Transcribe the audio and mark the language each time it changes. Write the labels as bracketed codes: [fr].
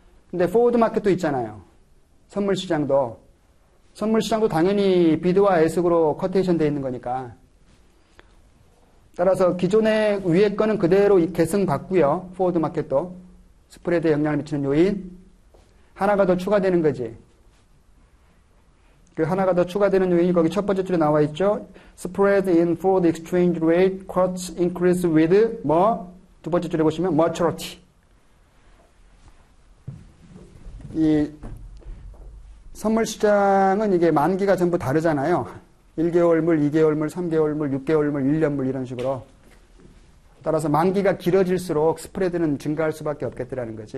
[ko] 근데 포워드 마켓도 있잖아요. 선물 시장도. 선물 시장도 당연히 비드와 에스그로 커테이션 되어 있는 거니까. 따라서 기존의 위에 거는 그대로 계승받고요. 포워드 마켓도. 스프레드에 영향을 미치는 요인. 하나가 더 추가되는 거지. 그 하나가 더 추가되는 요인이 거기 첫 번째 줄에 나와 있죠. [en] Spread in forward exchange rate quotes increase with [ko] 뭐? 두 번째 줄에 보시면 maturity. 이 선물 시장은 이게 만기가 전부 다르잖아요. 1개월물, 2개월물, 3개월물, 6개월물, 1년물 이런 식으로. 따라서 만기가 길어질수록 스프레드는 증가할 수밖에 없겠다는 거지.